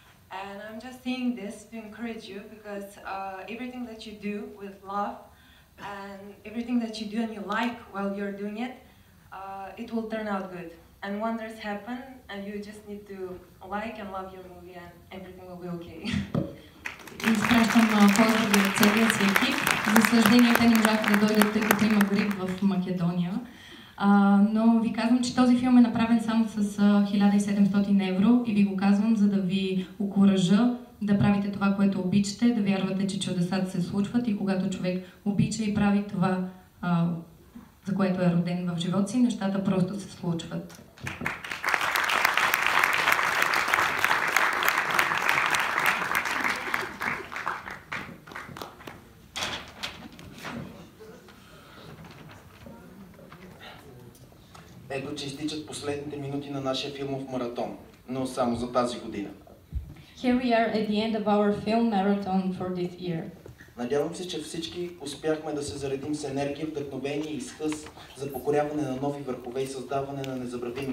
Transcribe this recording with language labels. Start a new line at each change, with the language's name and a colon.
English: And I'm just saying this to encourage you because everything that you do with love and everything that you do and you like while you're doing it, it will turn out good. And wonders happen, and you just need to like and love your movie, and everything will be okay.
Bulgarian: Изпращам поздрави от целия си екип. За съжаление, те не можаха да дойдат, тъй като има грип в Македония. Но ви казвам, че този филм е направен само с 1700 евро и ви го казвам, за да ви окуража да правите това, което обичате, да вярвате, че чудесата се случват и когато човек обича и прави това, за което е роден в живота си, нещата просто се случват. Ето, че изтичат последните минути на нашия филмов маратон, но само за тази година.
English: Here we are at the end of our film marathon for this year.
Bulgarian: Надявам се, че всички успяхме да се заредим с енергия, вдъхновение и с хъс за покоряване на нови върхове и създаване на незабравими